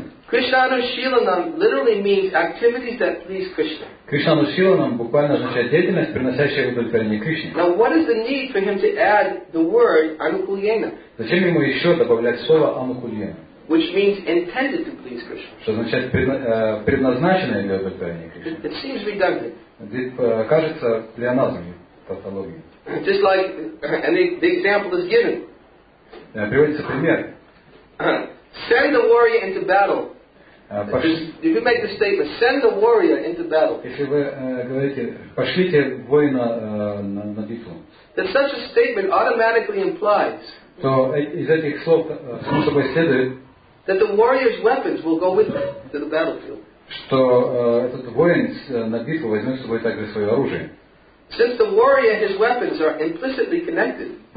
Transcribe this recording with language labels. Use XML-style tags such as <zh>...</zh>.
<en>Кришнану Шиланам literally means activities that please Krishna.</en> <ru>Кришнану Шиланам буквально означает деятельность, приносящая удовлетворение Кришне.</ru> <en>Now what is the need for him to add the word Anukulyena?</en> <ru>Зачем ему еще добавлять слово Анукульяна?</ru> <en>Which means intended to please Krishna.</en> <ru>Что означает предназначенное для удовлетворения Кришны.</ru> <en>It seems redundant.</en> <ru>Кажется плеоназмом, тавтологией.</ru> <en>Just like the example is given.</en> <ru>Приводится пример.</ru> <en>Send the warrior into battle. If you make the statement, send the warrior into battle.</en> <ru>Если вы говорите, пошлите воина на битву.</ru> <en>Then such a statement automatically implies.</en> <ru>То из этих слов смысл следует.</ru> <en>That the warrior's weapons will go with him to the battlefield.</en> <ru>Что этот воин на битву возьмет с собой также свое оружие.</ru> <en>Since the warrior and his weapons are implicitly connected.</en>